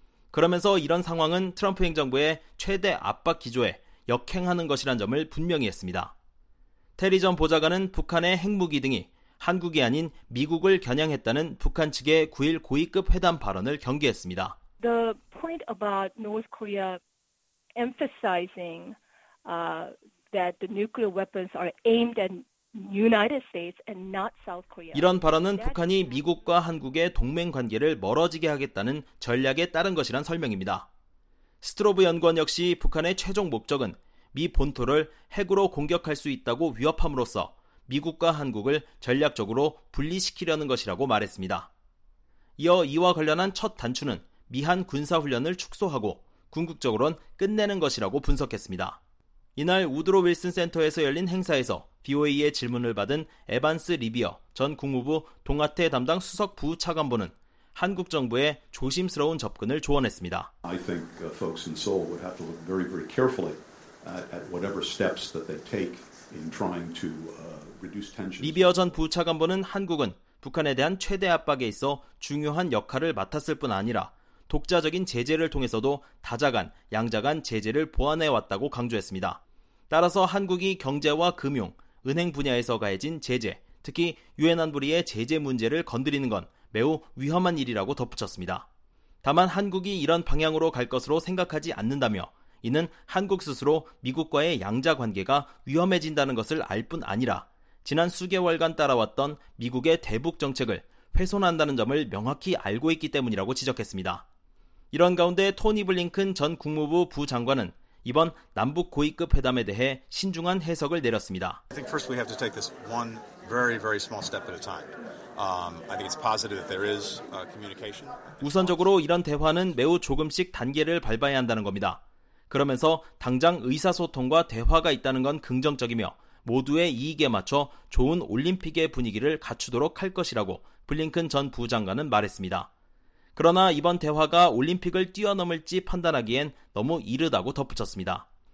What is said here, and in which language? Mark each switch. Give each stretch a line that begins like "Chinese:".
Korean: 그러면서 이런 상황은 트럼프 행정부의 최대 압박 기조에 역행하는 것이란 점을 분명히 했습니다. 테리 전 보좌관은 북한의 핵무기 등이 한국이 아닌 미국을 겨냥했다는 북한 측의 9일 고위급 회담 발언을 경계했습니다.
English: The point about North Korea emphasizing that the nuclear weapons are aimed at United States and not South Korea.
Korean: 이런 발언은 북한이 미국과 한국의 동맹 관계를 멀어지게 하겠다는 전략에 따른 것이란 설명입니다. 스트로브 연구원 역시 북한의 최종 목적은 미 본토를 핵으로 공격할 수 있다고 위협함으로써 미국과 한국을 전략적으로 분리시키려는 것이라고 말했습니다. 이어 이와 관련한 첫 단추는 미한 군사훈련을 축소하고 궁극적으로는 끝내는 것이라고 분석했습니다. 이날 우드로 윌슨 센터에서 열린 행사에서 BOA의 질문을 받은 에반스 리비어 전 국무부 동아태 담당 수석 부차관보는 한국 정부의 조심스러운 접근을 조언했습니다.
English: I think folks in Seoul would have to look very, very carefully at whatever steps that they take in trying to reduce tensions.
Korean: 리비어 전 부차관보는 한국은 북한에 대한 최대 압박에 있어 중요한 역할을 맡았을 뿐 아니라 독자적인 제재를 통해서도 다자 간, 양자 간 제재를 보완해왔다고 강조했습니다. 따라서 한국이 경제와 금융, 은행 분야에서 가해진 제재, 특히 유엔 안보리의 제재 문제를 건드리는 건 매우 위험한 일이라고 덧붙였습니다. 다만 한국이 이런 방향으로 갈 것으로 생각하지 않는다며 이는 한국 스스로 미국과의 양자 관계가 위험해진다는 것을 알 뿐 아니라 지난 수개월간 따라왔던 미국의 대북 정책을 훼손한다는 점을 명확히 알고 있기 때문이라고 지적했습니다. 이런 가운데 토니 블링컨 전 국무부 부장관은 이번 남북 고위급 회담에 대해 신중한 해석을 내렸습니다.
English: I think first we have to take this one very very small step at a time. I think it's positive that there is communication.
Korean: 우선적으로 이런 대화는 매우 조금씩 단계를 밟아야 한다는 겁니다. 그러면서 당장 의사소통과 대화가 있다는 건 긍정적이며 모두의 이익에 맞춰 좋은 올림픽의 분위기를 갖추도록 할 것이라고 블링컨 전 부장관은 말했습니다. 그러나 이번 대화가 올림픽을 뛰어넘을지 판단하기엔 너무 이르다고 덧붙였습니다.